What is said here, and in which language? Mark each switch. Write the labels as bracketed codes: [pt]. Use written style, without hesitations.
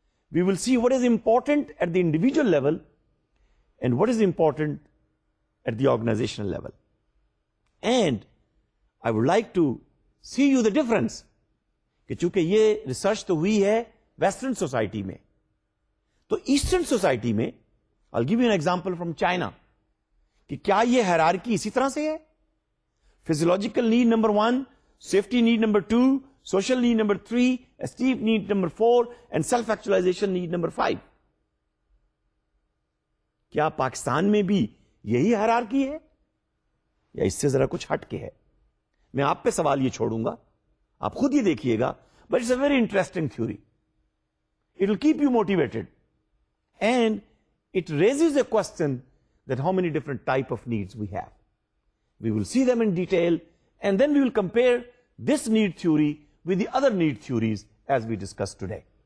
[en] We will see what is important at the individual level and what is important at the organizational level. And I would like to see you the difference. [ur] کہ چونکہ یہ research تو ہوئی ہے western society میں, تو eastern society میں [en] I'll give you an example from China, [ur] کہ کیا یہ ہیرارکی اسی طرح سے ہے. [en] Physiological need number one, safety need number two, social need number three, esteem need number four, and self actualization need number five. [ur] کیا پاکستان میں بھی یہی ہیرارکی ہے یا اس سے ذرا کچھ ہٹ کے ہے؟ میں آپ پہ سوال یہ چھوڑوں گا, آپ خود یہ دیکھیے گا. [en] But it's a very interesting theory, it will keep you motivated and it raises a question that how many different type of needs we have. We will see them in detail and then we will compare this need theory with the other need theories as we discuss today.